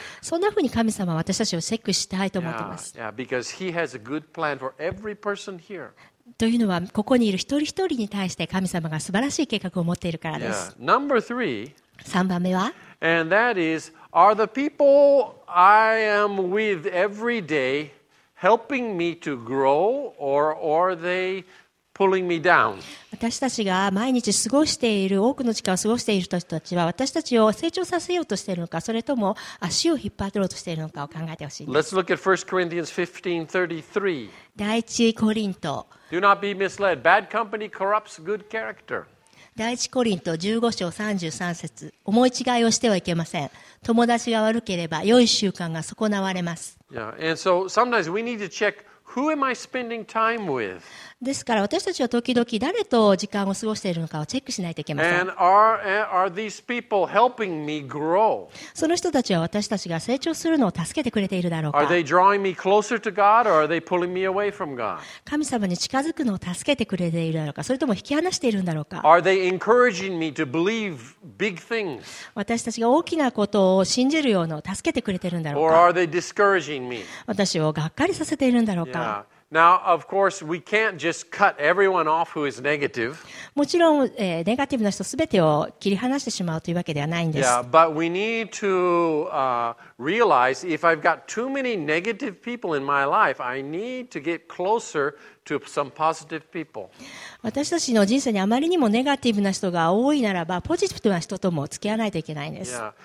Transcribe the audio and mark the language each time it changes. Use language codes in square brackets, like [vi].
[ja] そんな風に神様は私たちをチェックしたいと思っています。 [en] Yeah, yeah, because He has a good plan for every person here. [ja] というのはここにいる一人一人に対して神様が素晴らしい計画を持っているからです。 [en] Yeah, number three. [ja] 三番目は。 [en] And that is, are the people I am with every day. Helping me to grow, or are they pulling me down? [ja] 私たちが毎日過ごしている多くの時間を過ごしている人たちは私たちを成長させようとしているのか、それとも足を引っ張ろうとしているのかを考えてほしいです。 [en] Let's look at 1 Corinthians 15:33. [ja] 第一コリント。 [en] Do not be misled. Bad company corrupts good character. [ja] 第一コリント15:33. 思い違いをしてはいけません。友達が悪ければ良い習慣が損なわれます。 [en] Yeah, and so sometimes we need to check who am I spending time with. [ja] ですから私たちは時々誰と時間を過ごしているのかをチェックしないといけません。 [en] And are these people helping me grow? [ja] その人たちは私たちが成長するのを助けてくれているだろうか。 [en] Are they drawing me closer to God or are they pulling me away from God? [ja] 神様に近づくのを助けてくれているだろうか、それとも引き離しているんだろうか。 [en] Are they encouraging me to believe big things? [ja] 私たちが大きなことを信じるようのを助けてくれているんだろうか。 [en] Or are they discouraging me? [ja] 私をがっかりさせているんだろうか。 [en] Yeah. Now, of course, we can't just cut everyone off who is negative. [ja] もちろん、ネガティブな人すべてを切り離してしまうというわけではないんです。 [en] Yeah, but we need to, realize if I've got too many negative people in my life, I need to get closer to some positive people. [ja] 私たちの人生にあまりにもネガティブな人が多いならば、ポジティブな人とも付き合わないといけないんです。